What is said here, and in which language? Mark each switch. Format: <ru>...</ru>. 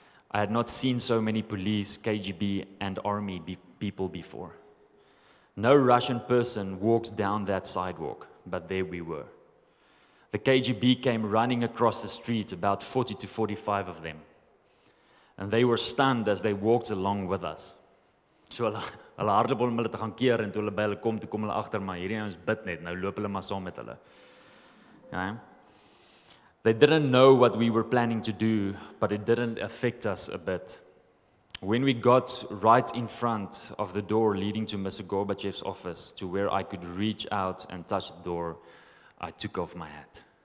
<en>I had not seen so many police, KGB, and army people before. No Russian person walks down that sidewalk, but there we were. The KGB came running across the street, about 40 to 45 of them. And they were stunned as they walked along with us.</en> <af>So hulle hardloop om hulle te gaan keer, en toe hulle by hulle kom, toe kom hulle agter, maar hierdie ons bid net, nou loop hulle maar saam met hulle.</af> <en>They didn't know what we were planning to do, but it didn't affect us a bit. When we got right in front of the door leading to Mr. Gorbachev's office, to where I could reach out and touch the door, I took off my hat.</en>